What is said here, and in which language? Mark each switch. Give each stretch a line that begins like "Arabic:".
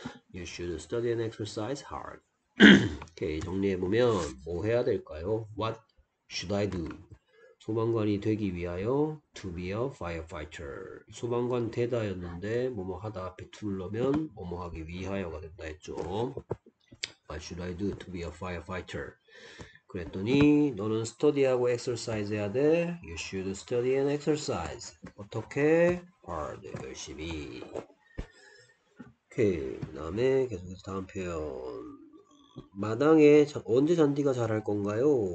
English: You should study and exercise hard.
Korean: 오케이, 정리해 보면 뭐 해야 될까요?
English: What should I do?
Korean: 소방관이 되기 위하여
English: to be a firefighter.
Korean: 소방관 되다였는데 뭐뭐 하다 앞에 to 넣으면 뭐뭐 하기 위하여가 된다 했죠.
English: What should I do to be a firefighter?
Korean: 그랬더니 너는 스터디하고 엑서사이즈 해야 돼.
English: You should study and exercise.
Korean: 어떻게?
English: Hard.
Korean: 열심히.
English: 오케이.
Korean: 그다음에 계속해서 다음 표현. 마당에 언제 잔디가 자랄 건가요?